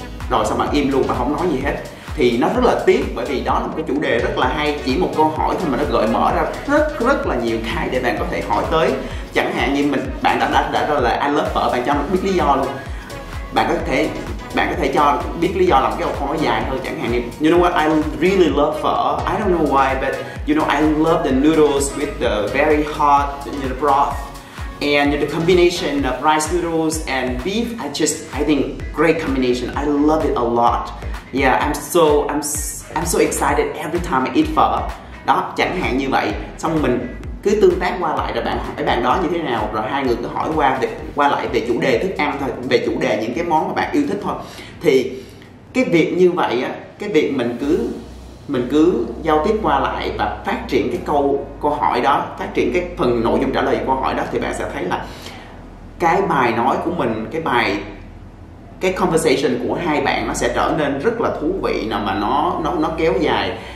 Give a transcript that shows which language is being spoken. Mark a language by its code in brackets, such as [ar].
[vi] Rồi xong bạn im luôn và không nói gì hết. Thì nó rất là tiếc, bởi vì đó là một cái chủ đề rất là hay. Chỉ một câu hỏi thôi mà nó gợi mở ra rất rất là nhiều cái để bạn có thể hỏi tới. Chẳng hạn như bạn đã nói là [en] I love phở, [vi] bạn cho biết lý do luôn. Bạn có thể cho biết lý do làm cái câu hỏi dài hơn. Chẳng hạn như [en] you know what, I really love phở. I don't know why, but you know I love the noodles with the very hot broth. And the combination of rice noodles and beef, I think great combination. I love it a lot. Yeah, I'm so excited every time I eat pho. [vi] Đó, chẳng hạn như vậy. Xong mình cứ tương tác qua lại rồi bạn hỏi bạn đó như thế nào, rồi hai người cứ hỏi qua lại về chủ đề thức ăn thôi, về chủ đề những cái món mà bạn yêu thích thôi. Thì cái việc như vậy á, cái việc mình cứ giao tiếp qua lại và phát triển cái câu hỏi đó, phát triển cái phần nội dung trả lời câu hỏi đó, thì bạn sẽ thấy là cái bài nói của mình, cái conversation của hai bạn nó sẽ trở nên rất là thú vị, nào mà nó kéo dài.